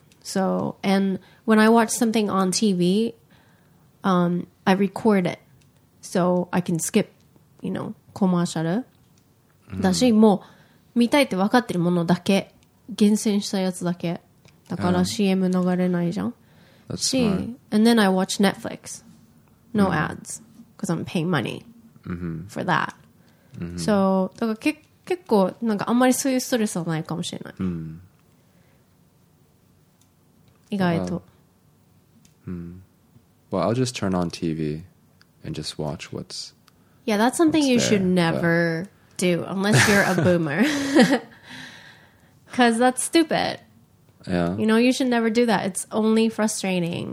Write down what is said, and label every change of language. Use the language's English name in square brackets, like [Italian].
[English] So, and when I watch something on TV... I record it so I can skip, you know, commercial. [Japanese] だし、もう見たいって分かってるものだけ厳選したやつだけだから CM 流れないじゃん。 [English] That's smart. And then I watch Netflix. No ads. Because I'm paying money for that. [Japanese] So, だから結構なんかあんまりそういうストレスはないかもしれない。意外と。 [English] Well, I'll just turn on TV and just watch what's Yeah, that's something you should never do unless you're a boomer. Because that's stupid. Yeah. You know, you should never do that. It's only frustrating.